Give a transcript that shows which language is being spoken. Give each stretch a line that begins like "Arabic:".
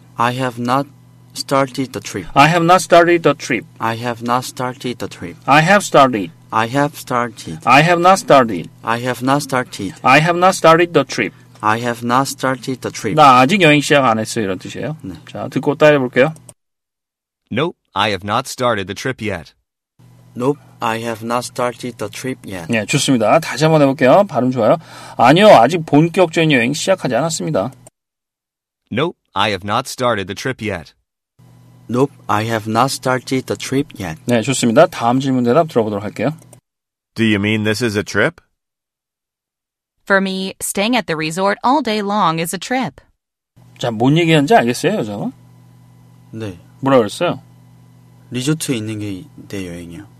English: I have not started the trip. I have not started the trip. I have not started the trip. I have started. I have started. I have not started. I have not started. I have not started the trip. I have not started the trip.
Korean: 나 아직 여행 시작 안 했어요. 이런 뜻이에요. 네. 자, 듣고 따라해 볼게요.
English: Nope, I have not started the trip yet. Nope, I have not started the trip yet.
Korean: 네, 좋습니다. 다시 한번 해볼게요. 발음 좋아요. 아니요, 아직 본격적인 여행 시작하지 않았습니다.
English: Nope, I have not started the trip yet. Nope, I have not started the trip yet.
Korean: 네, 좋습니다. 다음 질문 대답 들어보도록 할게요.
English: Do you mean this is a trip? For me, staying at the resort all day long is a trip.
Korean: 자, 뭔 얘기하는지 알겠어요, 여자? 네. 뭐라 그랬어요? 리조트에 있는 게 내 여행이야.